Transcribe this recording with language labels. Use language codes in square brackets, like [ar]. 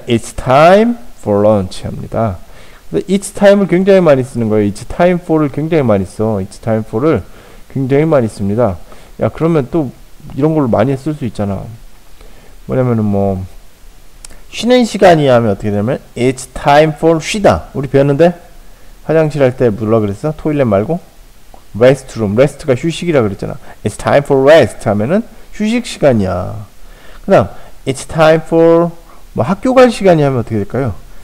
[en] It's time for lunch [ko] 합니다. It's time을 굉장히 많이 쓰는 거예요. [en] It's time for를 [ko] 굉장히 많이 써. [en] It's time for를 [ko] 굉장히 많이 씁니다. 야, 그러면 또 이런 걸로 많이 쓸수 있잖아. 뭐냐면은 뭐 쉬는 시간이야 하면 어떻게 되냐면 [en] It's time for [ko] 쉬다. 우리 배웠는데 화장실 할때 뭐라 그랬어? 토일렛 말고 레스트룸. 레스트가 휴식이라 그랬잖아. [en] It's time for rest [ko] 하면은 휴식 시간이야. 그다음 [en] It's time for [ko] 뭐 학교 갈 시간이야 하면 어떻게 될까요?